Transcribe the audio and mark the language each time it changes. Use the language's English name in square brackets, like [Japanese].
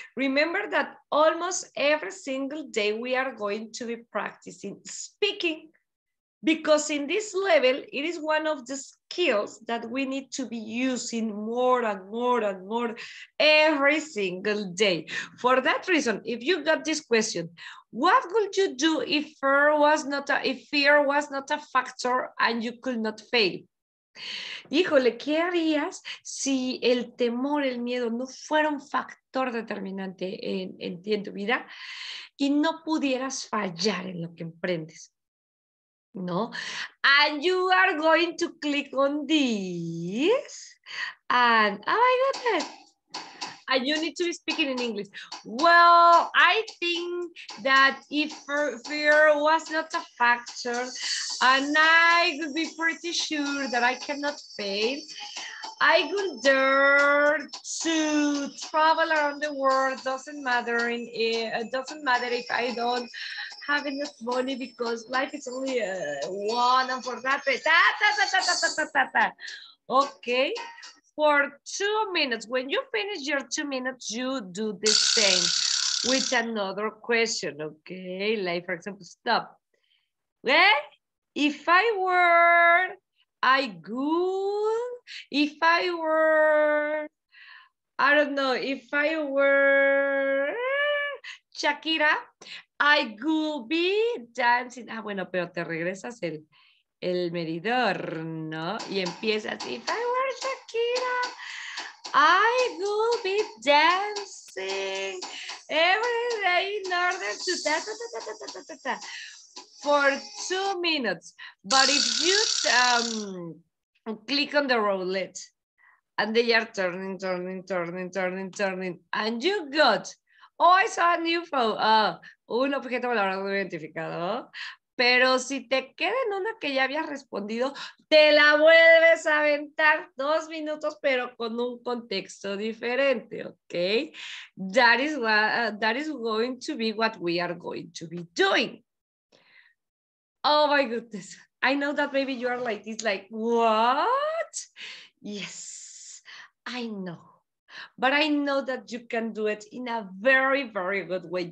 [English] Remember that almost every single day we are going to be practicing speaking because in this level, it is one of the skills that we need to be using more and more and more every single day. For that reason, if you got this question, what would you do if fear was not a factor and you could not fail? [Spanish] Híjole, ¿qué harías si el temor, el miedo no fuera un factor determinante en ti, en tu vida y no pudieras fallar en lo que emprendes? [English] No, and you are going to click on this, and oh my goodness, and you need to be speaking in English. Well, I think that if fear was not a factor, and I would be pretty sure that I cannot fail, I would dare to travel around the world. Doesn't matter if I don't have enough money because life is only one, and for that, okay. For 2 minutes, when you finish your 2 minutes, you do the same with another question, okay? Like, for example, stop. Well, if I were, I good. If I were, I don't know, if I were Shakira, I could be dancing. [Spanish] Ah, bueno, pero te regresas el medidor, ¿no? Y empiezas, [English] if I were Shakira, I could be dancing every day in order to ta-ta-ta-ta-ta-ta-ta-ta for 2 minutes. But if you click on the roulette, and they are turning, turning, turning, turning, turning, and you got, oh, I saw a new phone, [Spanish] un objeto volador no identificado. Pero si te queda en una que ya habías respondido, te la vuelves a aventar 2 minutos, pero con un contexto diferente, ¿ok? [English] That is going to be what we are going to be doing. Oh my goodness. I know that maybe you are like this, like, what? Yes, I know. But I know that you can do it in a very, very good way.